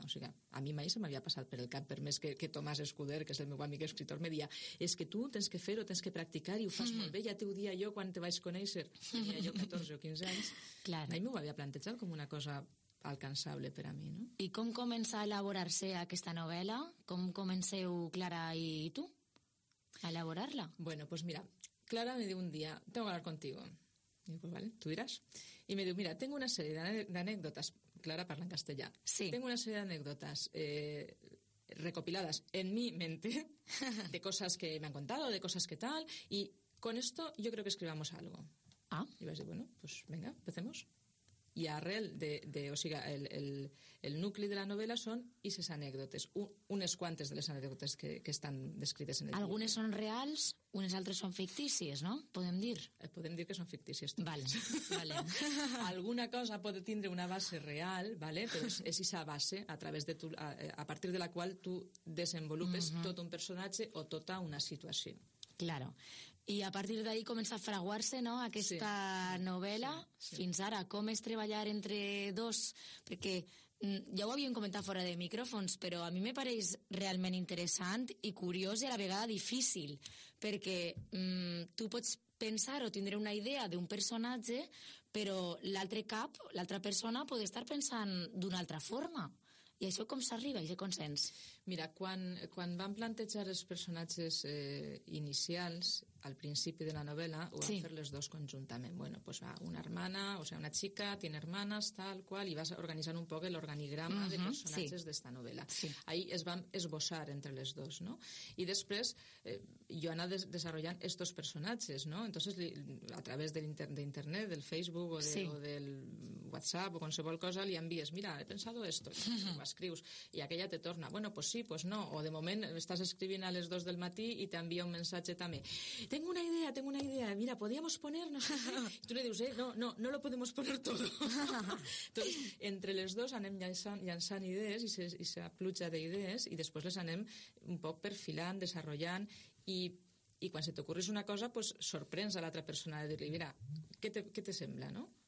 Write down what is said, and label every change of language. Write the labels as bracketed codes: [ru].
[ca] O sigui, a mi mai se m'havia passat per el cap, per més que Tomàs Escuder, que és el meu amic escritor, me dia, és que tu tens que fer-ho, tens que practicar i ho fas molt bé, ja t'ho dia jo quan te vaig conèixer. Tenia jo 14 o 15 anys. Clar. Mai m'ho havia plantejat com una cosa alcançable per a mi, no? I com comença a elaborar-se aquesta novel·la? Com comenceu, Clara i tu, a elaborar-la? Bueno, pues mira, Clara me diu un dia, [es] tengo que hablar contigo. [ca] I pues vale, [es] tú dirás. [ca] I me diu, mira, [es] tengo una sèrie d'anècdotes, Clara parla en castellà, [ca] sí. [es] Tengo una sèrie d'anècdotes recopiladas en mi mente, de coses que me han contado, de coses que tal, i con esto yo creo que escribamos algo. Ah. [ca] I vas dir, [es] bueno, pues venga, empecemos. [ca] I arrel de o sigui, el nucli de la novel·la són aquestes anècdotes, unes quantes de les anècdotes que estan descrites en el llibre. Algunes són reals, unes altres són fictícies, no? Podem dir? Podem dir que són fictícies. Vale, vale. Alguna cosa pot tindre una base real, vale? Però és aquesta base a partir de la qual tu desenvolupes tot un personatge o tota una situació. [es] Claro. [ca] I a partir d'ahí comença a fraguar-se, no?, aquesta novel·la. Sí. Fins ara, com és treballar entre dos? Perquè ja ho havíem comentat fora de micròfons, però a mi me pareix realment interessant i curiós i a la vegada difícil, perquè tu pots pensar o tindre una idea d'un personatge, però l'altre cap, l'altra persona, pot estar pensant d'una altra forma. I això com s'arriba, aquest consens? Mira, quan van plantejar els personatges inicials, [es] al principio de la novela, o sí. hacer los dos conjuntamente. Bueno, pues va una hermana, o sea, una chica, tiene hermanas, tal cual, y vas a organizar un poco el organigrama uh-huh. de personajes sí. de esta novela. Sí. Ahí es van esbozar entre los dos, ¿no? Y después, Joana desarrolla estos personajes, ¿no? Entonces, a través del internet, del Facebook, o, de, sí. o del WhatsApp, o con cualquier cosa, le envíes, mira, he pensado esto, y lo escribes, y aquella te torna, bueno, pues sí, pues no, o de momento estás escribiendo [ca] a les dos del matí [es] y te envía un mensaje también. Tengo una idea, mira, podríamos ponernos... Y tú le dices, no lo podemos poner todo. [ca] Entonces, entre les dos anem llançant idees i se pluja de idees i després les anem un poc perfilant, desenvolupant i quan se t'ocorris una cosa, pues sorprens a l'altra persona de dir-li, mira, què te sembla, no?